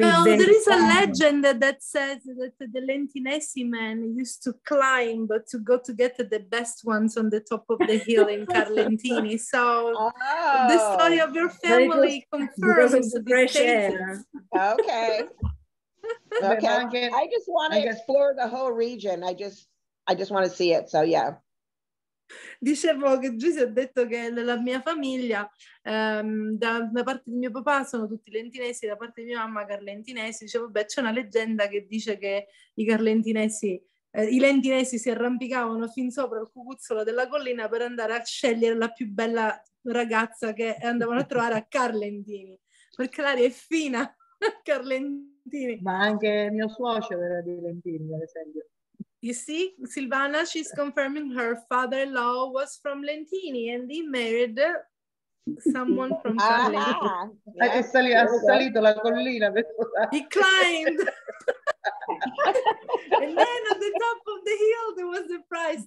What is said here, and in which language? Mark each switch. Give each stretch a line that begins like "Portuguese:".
English: there is a legend that says that the Lentinesi man used to climb to go to get the best ones on the top of the hill in Carlentini. So the story of your family confirms the fresh air. Okay. I just want to explore the whole region. I just want to see it. So, yeah.
Italian: Dicevo che Giuse ha detto che la mia famiglia, da parte di mio papà sono tutti lentinesi, da parte di mia mamma carlentinesi. Dicevo, beh, c'è una leggenda che dice che i carlentinesi, i lentinesi si arrampicavano fin sopra il cucuzzolo della collina per andare a scegliere la più bella ragazza che andavano a trovare a Carlentini, perché l'aria è fina a Carlentini. Ma anche mio suocero era di Lentini, ad esempio.
English: You see, Silvana, she's confirming her father-in-law was from Lentini and he married someone from Carlentini. Yeah.
Italian: Ha salito la collina.
English: He climbed. And then at the top of the hill, there was a prize.